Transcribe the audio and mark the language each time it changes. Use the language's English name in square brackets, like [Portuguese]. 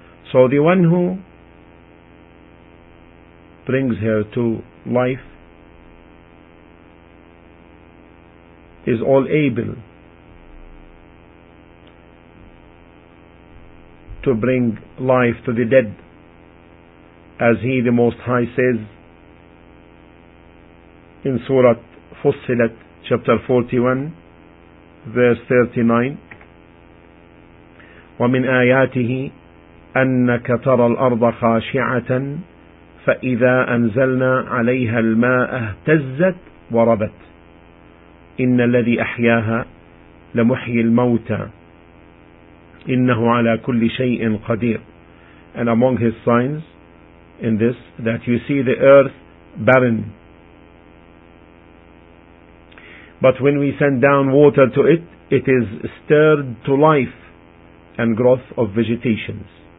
[English] So the one who brings her to life is all able to bring life to the dead, as He the Most High says in Surah Fussilat, chapter 41 verse 39. [Arabic] ومن آياته أنك ترى الأرض خاشعة فإذا أنزلنا عليها الماء اهتزت وربت إن الذي أحياها لمحيي الموتى إنه على كل شيء قدير. [English] And among his signs in this, that you see the earth barren, but when we send down water to it, it is stirred to life and growth of vegetations.